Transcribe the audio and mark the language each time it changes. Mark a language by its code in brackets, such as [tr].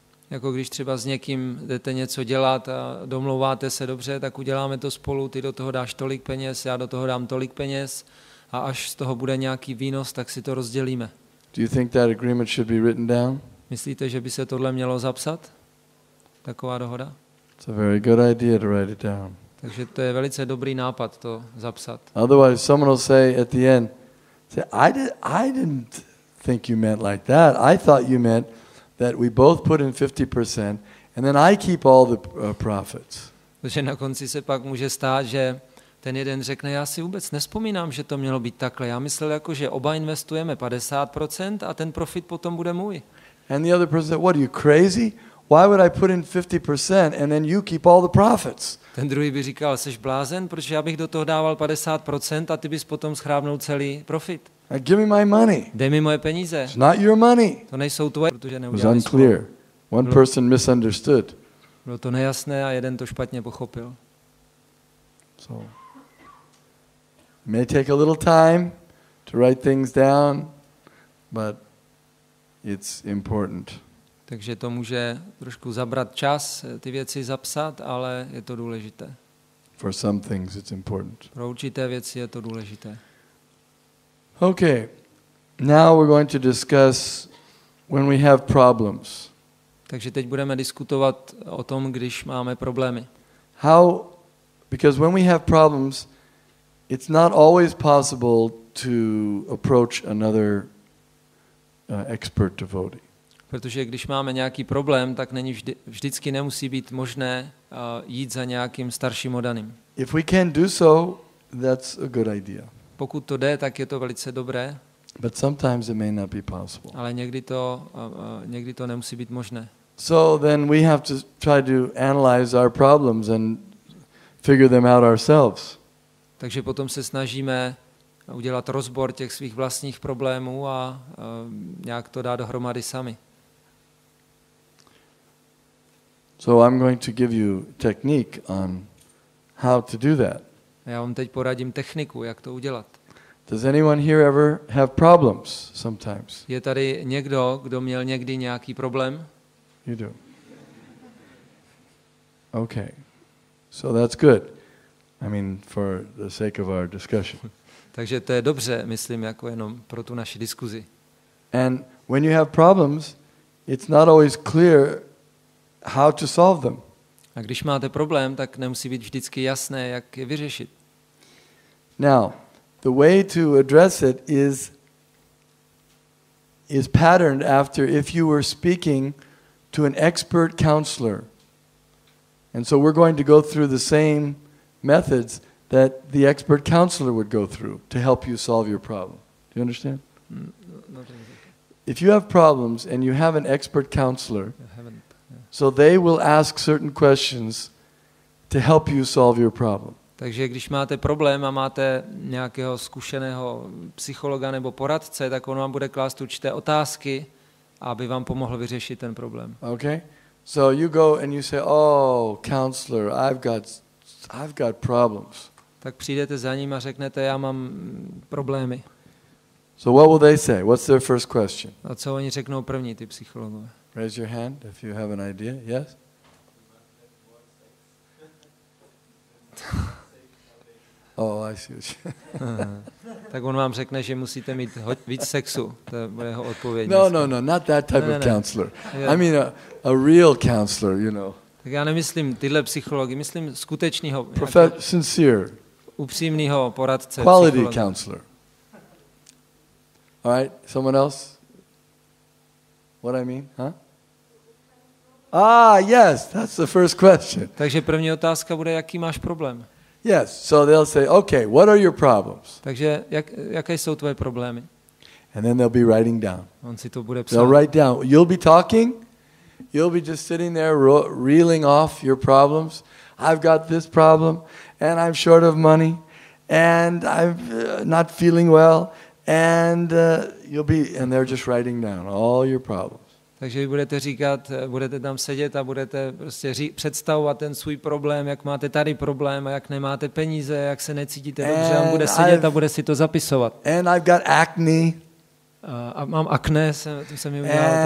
[cs] Jako když třeba s někým jdete něco dělat a domlouváte se dobře, tak uděláme to spolu, ty do toho dáš tolik peněz, já do toho dám tolik peněz a až z toho bude nějaký výnos, tak si to rozdělíme. [en] Do you think that agreement should be written down? [cs] Myslíte, že by se tohle mělo zapsat? Taková dohoda? [en] It's a very good idea to write it down. [cs] Takže to je velice dobrý nápad to zapsat. [en] Otherwise someone will say at the end, I didn't think you meant like that. I thought you meant that we both put in 50% and then I keep all the profits. [cs] Takže na konci se pak může stát, že ten jeden řekne, já si vůbec nespomínám, že to mělo být takhle. Já myslel jako, že oba investujeme 50% a ten profit potom bude můj. [en] And the other person said, what, are you crazy? Why would I put in 50% and then you keep all the profits? [cs] Ten druhý by říkal, jsi blázen, protože já bych do toho dával 50% a ty bys potom schrábnul celý profit. [en] Now give me my money. [cs] Dej mi moje peníze. [en] It's not your money. [cs] To nejsou tvoje, protože neuděláš svoje. [en] It was unclear. One person misunderstood. [cs] Bylo to nejasné a jeden to špatně pochopil. [en] So, it may take a little time to write things down, but it's important. [cs] Takže to může trošku zabrat čas, ty věci zapsat, ale je to důležité. [en] For some things it's important. [cs] Pro určité věci je to důležité. [en] Okay. Now we're going to discuss when we have problems. [cs] Takže teď budeme diskutovat o tom, když máme problémy. [en] How, because when we have problems, it's not always possible to approach another expert devotee. [cs] Protože když máme nějaký problém, tak není vždycky nemusí být možné jít za nějakým starším odaným. [en] If we can do so, that's a good idea. [cs] Pokud to jde, tak je to velice dobré. [en] But sometimes it may not be possible. [cs] Ale někdy to nemusí být možné. [en] So then we have to try to analyze our problems and figure them out ourselves. [cs] Takže potom se snažíme udělat rozbor těch svých vlastních problémů a nějak to dát dohromady sami. [en] So I'm going to give you technique on how to do that. [cs] Já vám teď poradím techniku, jak to udělat. [en] Does anyone here ever have problems sometimes? [cs] Je tady někdo, kdo měl někdy nějaký problém? [en] You do. Okay. So that's good. I mean, for the sake of our discussion. [cs] Takže to je dobře, myslím, jako jenom pro tu naši diskuzi. [en] And when you have problems, it's not always clear how to solve them. [cs] A když máte problém, tak nemusí být vždycky jasné, jak je vyřešit. [en] Now, the way to address it is patterned after if you were speaking to an expert counselor. And so we're going to go through the same methods that the expert counselor would go through to help you solve your problem. Do you understand? If you have problems and you have an expert counselor, so they will ask certain questions to help you solve your problem. [cs] Takže když máte problém a máte nějakého zkušeného psychologa nebo poradce, tak on vám bude klást určité otázky, aby vám pomohl vyřešit ten problém. [en] Okay. So you go and you say, "Oh, counselor, I've got problems." [cs] Tak přijdete za ním a řeknete, já mám problémy. [en] So what will they say? What's their first question? [cs] A co oni řeknou první, ty psychologové? [en] Raise your hand if you have an idea. Yes? Save salvation. Oh, I see. [cs] Tak on vám řekne, že musíte mít víc sexu. To bude jeho odpověď. [en] No, no, no, not that type of counselor. I mean a real counselor, you know. [cs] Tak já nemyslím tyhle psychologi, myslím skutečného. [en] Sincere. [cs] Upřímného poradce. [en] Quality counselor. All right, someone else? What I mean, huh? Ah, yes, that's the first question. [cs] Takže první otázka bude, jaký máš problém? [en] Yes, so they'll say, okay, what are your problems? [cs] Takže jaké jsou tvoje problémy? [en] And then they'll be writing down. [cs] On si to bude psát. [en] They'll write down. You'll be talking. You'll be just sitting there reeling off your problems. I've got this problem, and I'm short of money, and I'm not feeling well, and they're just writing down all your problems. [cs] Takže vy budete říkat, budete tam sedět a budete prostě představovat ten svůj problém, jak máte tady problém a jak nemáte peníze, jak se necítíte dobře, on bude sedět a bude si to zapisovat. [en] And I've got acne. [cs] A mám akné, to se mi udělalo